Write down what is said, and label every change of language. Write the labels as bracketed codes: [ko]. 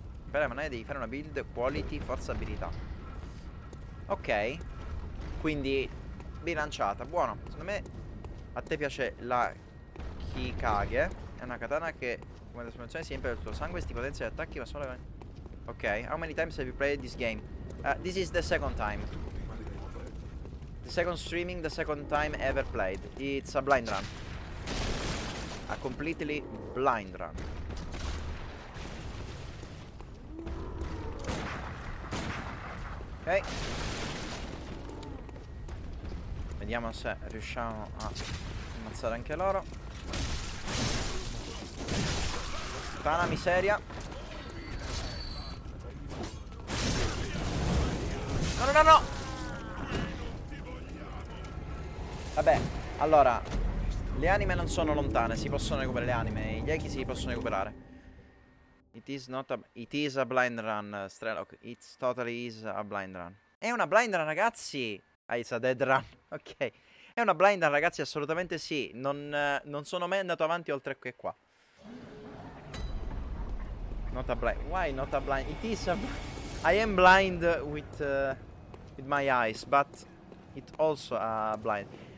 [it] Per la mannaia devi fare una build quality, forza, abilità. Ok. Quindi, bilanciata. Buono. Secondo me, a te piace la Kikage. È una katana che, come trasformazione, si riempie del tuo sangue e si potenzia gli attacchi, ma solo... Ok. [en] How many times have you played this game? This is the second time. The second streaming, the second time ever played. It's a blind run. A completely blind run. Ok. [it] Vediamo se riusciamo a ammazzare anche loro. Tana miseria. No, no, no, no. Vabbè, allora, le anime non sono lontane, si possono recuperare le anime, gli echi si possono recuperare. [en] It is not a... It is a blind run, Strelok. It totally is a blind run. [it] È una blind run, ragazzi! Ah, [en] it's a dead run, ok. [it] È una blind run, ragazzi, assolutamente sì. Non sono mai andato avanti oltre che qua. [en] Not a blind... Why not a blind... It is a... I am blind with my eyes, but it also a blind...